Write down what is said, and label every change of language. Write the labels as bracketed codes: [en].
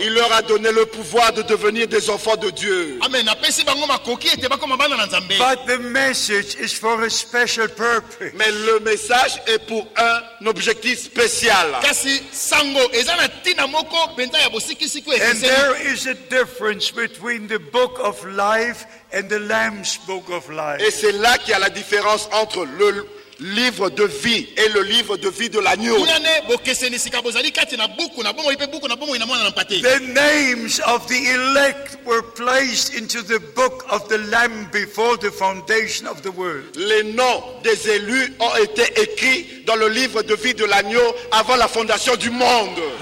[fr] Il leur a donné le pouvoir de devenir des enfants de Dieu. [en] But the message is for a special purpose. [fr] Mais le message est pour un objectif spécial. [en] And there is a difference between the book of life and the Lamb's book of life. [fr] Et c'est là qu'il y a la différence entre le livre de vie et le livre de vie de l'agneau. [en] The names of the elect were placed into the book of the Lamb before the foundation of the world. [fr] Les noms des élus ont été écrits dans le livre de vie de l'agneau avant la fondation du monde.